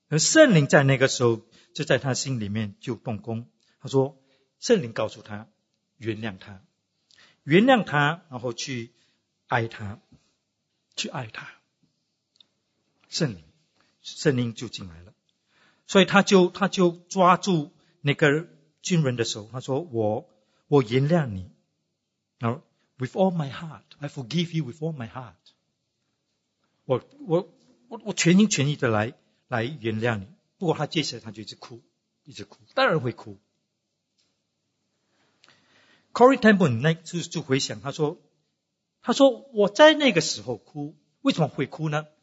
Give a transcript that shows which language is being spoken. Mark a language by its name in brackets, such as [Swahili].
[Chinese] 圣灵在那个时候就在他心里面就动工，他说圣灵告诉他原谅他，原谅他，然后去爱他，去爱他。圣灵就进来了。所以他就抓住那个军人的手，他说我原谅你。 [English] Now, with all my heart, I forgive you with all my heart。 [Chinese] 我全心全意的来原谅你。不过他接下来他就一直哭，一直哭，当然会哭。 Corrie ten Boom 那就回想，他说我在那个时候哭，为什么会哭呢？